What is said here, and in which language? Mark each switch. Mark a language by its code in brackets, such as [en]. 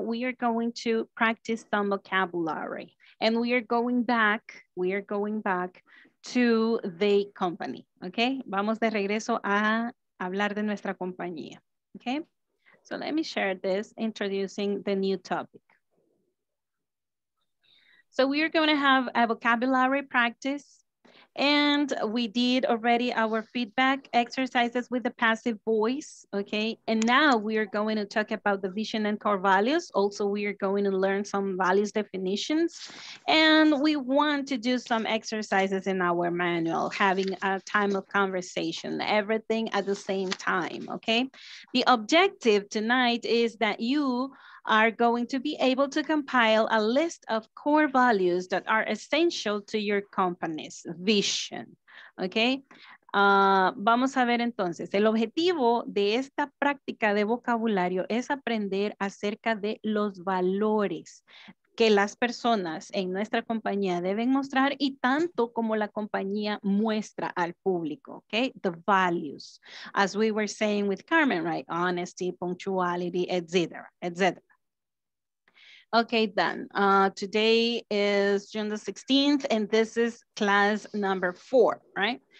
[en] We are going to practice some vocabulary and we are going back to the company, okay? [es] Vamos de regreso a hablar de nuestra compañía, okay? [en] So let me share this, introducing the new topic. So we are going to have a vocabulary practice. And we did already our feedback exercises with the passive voice, okay? And now we are going to talk about the vision and core values. Also, we are going to learn some values definitions. And we want to do some exercises in our manual, having a time of conversation, everything at the same time, okay? The objective tonight is that you are going to be able to compile a list of core values that are essential to your company's vision, okay? [es] Vamos a ver entonces, el objetivo de esta práctica de vocabulario es aprender acerca de los valores que las personas en nuestra compañía deben mostrar y tanto como la compañía muestra al público, okay? [en] The values, as we were saying with Carmen, right? Honesty, punctuality, etc., etc. Okay, then, today is June the 16th, and this is class number 4, right?